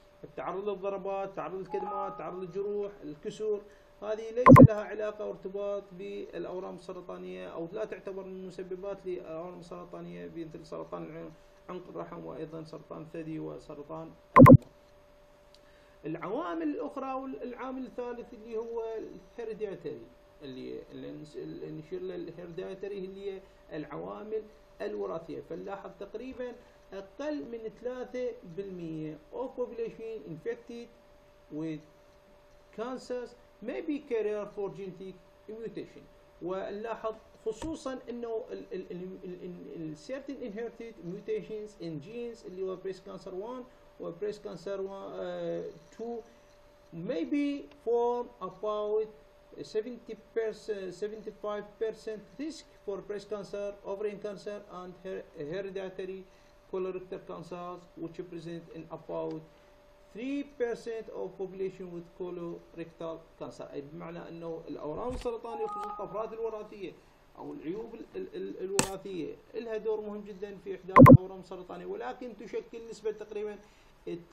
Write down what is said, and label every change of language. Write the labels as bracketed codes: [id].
[ar] التعرض للضربات، التعرض للكدمات، التعرض للجروح، الكسور، هذه ليس لها علاقة وارتباط بالأورام السرطانية، أو لا تعتبر من مسببات للأورام السرطانية مثل سرطان عنق الرحم وأيضا سرطان الثدي وسرطان الرحم. العوامل الأخرى والعامل الثالث اللي هو الهيرديتري، اللي نشير للهيرديتري اللي هي العوامل الوراثية. فنلاحظ تقريبا أقل من [en] 3% of population infected with cancers may be carrier for genetic mutation. [ar] ونلاحظ خصوصا انه ال [en] certain inherited mutations in genes [ar] اللي هو [en] breast cancer 1 و breast cancer 2 may be form about 75% risk for breast cancer, ovarian cancer and hereditary colorectal cancers which present in about 3% of population with colorectal cancer. [ar] اي بمعنى انه الاورام السرطانيه وخصوصا الطفرات الوراثيه او العيوب الوراثيه لها دور مهم جدا في احداث الاورام السرطانيه، ولكن تشكل نسبه تقريبا 3%.